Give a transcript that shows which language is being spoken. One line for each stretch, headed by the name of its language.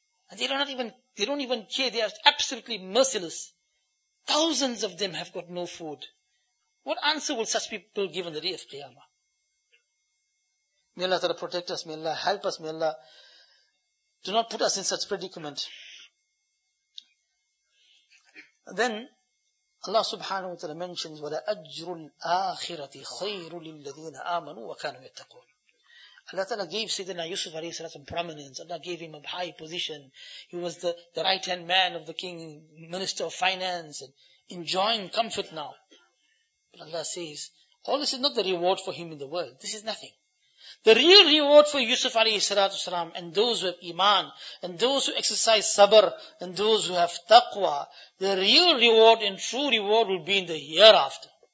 English: And they don't even care. They are absolutely merciless. Thousands of them have got no food. What answer will such people give on the day of Qiyamah? May Allah ta'ala protect us. May Allah help us. May Allah do not put us in such predicament. Then Allah subhanahu wa ta'ala mentions,
Arabic: وَلَا أَجْرُ الْآخِرَةِ خَيْرُ لِلَّذِينَ آمَنُوا وَكَانُوا يَتَّقُونَ.
English: Allah ta'ala gave Sayyidina Yusuf alayhi salam some prominence. Allah gave him a high position. He was the right-hand man of the king, minister of finance, and enjoying comfort now. But Allah says, all this is not the reward for him in the world. This is nothing. The real reward for Yusuf alayhi salatu salam and those who have iman, and those who exercise sabr, and those who have taqwa, the real reward and true reward will be in the hereafter.